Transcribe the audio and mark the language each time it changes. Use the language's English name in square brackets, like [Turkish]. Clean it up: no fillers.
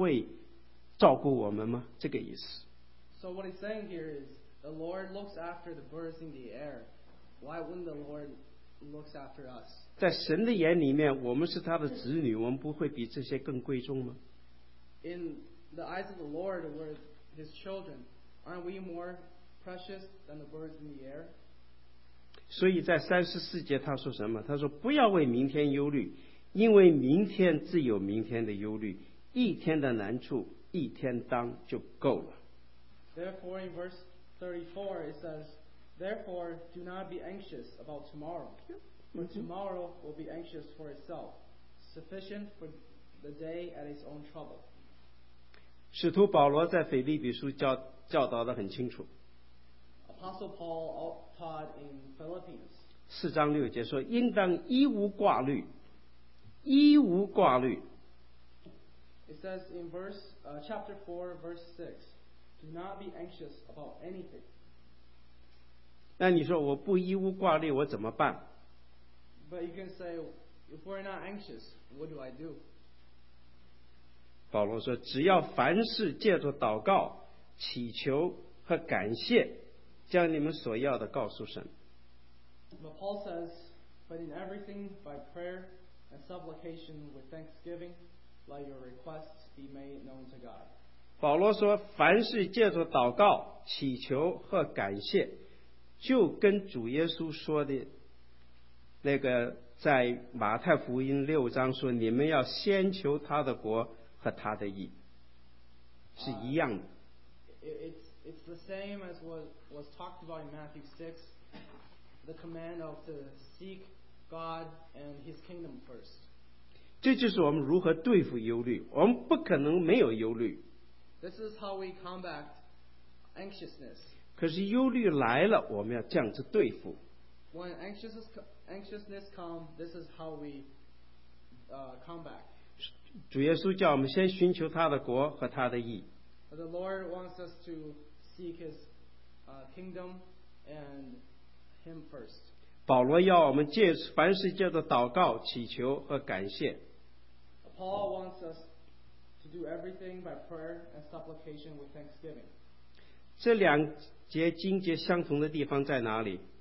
[Chinese] 你们神还给他们这样的装饰，何况你们呢？这就是表示说，神对这种鸟都帮助他，何况我们不是他会更会照顾我们吗？这个意思。 [English] So what he's saying here is, the Lord looks after the birds in the air. Why wouldn't the Lord look after us? [Chinese] 在神的眼里面, 我们是他的子女, 我们不会比这些更贵重吗? [English] In the eyes of the Lord, we're his children. Aren't we more precious than the birds in the air? [Chinese] 所以在34节他说什么? 他说不要为明天忧虑, 因为明天自有明天的忧虑, 一天的难处, 一天当就够了。 [English] Therefore, in verse 34, it says, therefore, do not be anxious about tomorrow, for tomorrow will be anxious for itself. Sufficient for the day at its own trouble. [Chinese] 使徒保罗在腓立比书 教导得很清楚。 [English] Apostle Paul taught in Philippians. [Chinese] 四章六节说，应当一无挂虑，一无挂虑。 [English] It says in chapter 4, verse 6, do not be anxious about anything. [Chinese] 那你说我不一无挂虑，我怎么办？ [English] But you can say, if we're not anxious, what do I do? [Chinese] 保罗说，只要凡事借着祷告、祈求和感谢，将你们所要的告诉神。 [English] But Paul says, but in everything by prayer and supplication with thanksgiving, let your requests be made known to God. [Chinese] 保罗说，凡事借着祷告、祈求和感谢，就跟主耶稣说的那个在马太福音六章说，你们要先求他的国和他的义，是一样的。 [English] It's the same as what was talked about in Matthew 6, the command of to seek God and His kingdom first. [Chinese] 这就是我们如何对付忧虑，我们不可能没有忧虑。 [English] This is how we combat anxiousness. [Chinese] 可是忧虑来了，我们要这样子对付。 [English] When anxiousness comes, this is how we combat. [Chinese] 主耶稣叫我们先寻求他的国和他的义。 [English] The Lord wants us to seek His kingdom and Him first. [Chinese] 保罗要我们借凡事借着祷告、祈求和感谢。 [English] Paul wants us to do everything by prayer and supplication with thanksgiving. [Chinese] 这两节经节相同的地方在哪里？